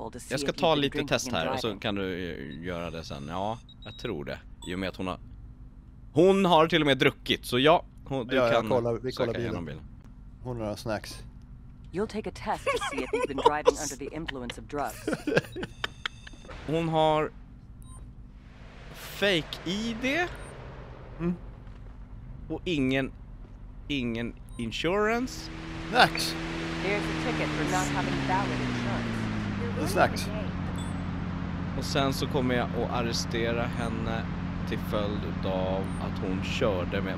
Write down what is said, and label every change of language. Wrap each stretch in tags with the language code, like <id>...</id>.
<sv>Jag ska ta lite test här och så kan du göra det sen. Ja, jag tror det. i och med att hon har till och med druckit, så ja, hon, du ja, kan jag kollar, vi kollar bilen. Hon har snacks.</sv> <en>You'll take a test to see if you've been driving under the influence of drugs.</en> <sv>Hon har fake ID. Mm. Och ingen insurance. Snacks.</sv> <en>There's a ticket for not having valid insurance.</en> <sv>Snacks. Och sen så kommer jag att arrestera henne till följd av att hon körde med...</sv>